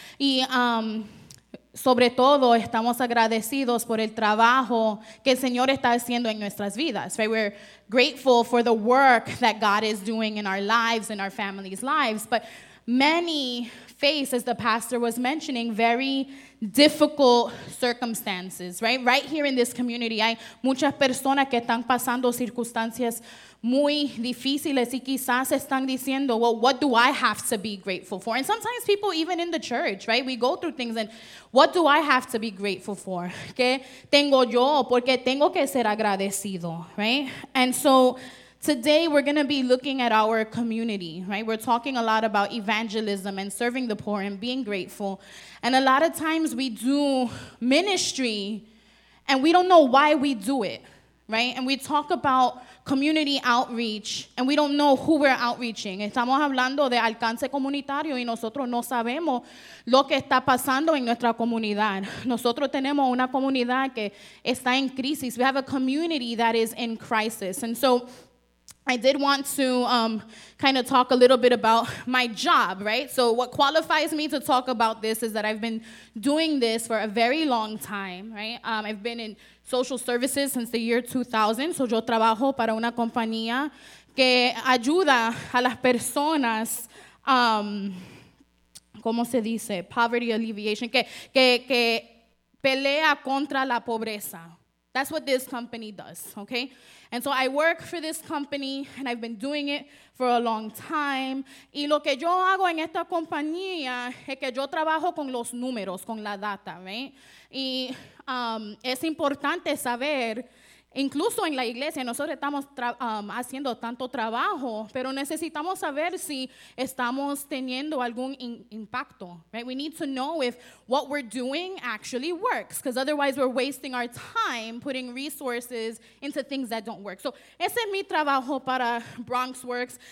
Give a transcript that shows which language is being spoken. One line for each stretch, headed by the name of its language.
Spanish: Y sobre todo, estamos agradecidos por el trabajo que el Señor está haciendo en nuestras vidas, right?
English: We're grateful for the work that God is doing in our lives, in our families' lives. But many face, as the pastor was mentioning, very difficult circumstances, right? Right here in this community,
Spanish: hay muchas personas que están pasando circunstancias muy difíciles y quizás están diciendo,
English: well, what do I have to be grateful for? And sometimes people, even in the church, right? We go through things and what do I have to be grateful for?
Spanish: ¿Qué tengo yo? Porque tengo que ser agradecido, right?
English: And so today we're going to be looking at our community, right? We're talking a lot about evangelism and serving the poor and being grateful. And a lot of times we do ministry and we don't know why we do it, right? And we talk about community outreach and we don't know who we're outreaching.
Spanish: Estamos hablando de alcance comunitario y nosotros no sabemos lo que está pasando en nuestra comunidad. Nosotros tenemos una comunidad que está en crisis.
English: We have a community that is in crisis. And so I did want to kind of talk a little bit about my job, right? So what qualifies me to talk about this is that I've been doing this for a very long time, right? I've been in social services since the year 2000.
Spanish: So yo trabajo para una compañía que ayuda a las personas, ¿cómo se dice?
English: Poverty alleviation,
Spanish: que pelea contra la pobreza.
English: That's what this company does, okay? And so I work for this company, and I've been doing it for a long time.
Spanish: Y lo que yo hago en esta compañía es que yo trabajo con los números, con la data, right? Y es importante saber, incluso en la iglesia, nosotros estamos haciendo tanto trabajo, pero necesitamos saber si estamos teniendo algún impacto, right?
English: We need to know if what we're doing actually works, because otherwise we're wasting our time putting resources into things that don't work.
Spanish: So ese es mi trabajo para Bronx Works.